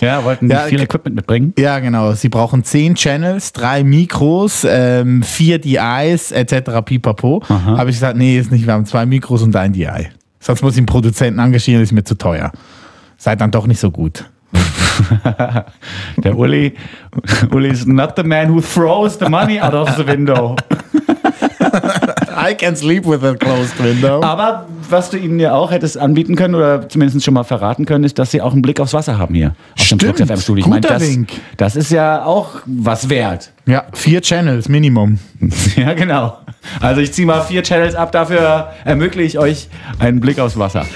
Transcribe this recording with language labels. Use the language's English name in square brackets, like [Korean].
[German] Ja, wollten die viel Equipment mitbringen? Ja, genau. Sie brauchen 10 Channels, 3 Mikros, 4 DIs etc. Pipapo. Habe ich gesagt, nee, ist nicht, wir haben 2 Mikros und ein DI. Sonst muss ich den Produzenten engagieren, ist mir zu teuer. Sei dann doch nicht so gut. Der [English] Uli is not the man who throws the money out of the window. I can sleep with a closed window. [German] Aber was du ihnen ja auch hättest anbieten können oder zumindest schon mal verraten können, ist, dass sie auch einen Blick aufs Wasser haben hier. Stimmt, auf dem Flux-FM-Studio. Ich guter Wink. Das ist ja auch was wert. Ja, 4 Channels Minimum. Ja, genau. Also ich ziehe mal 4 Channels ab, dafür ermögliche ich euch einen Blick aufs Wasser.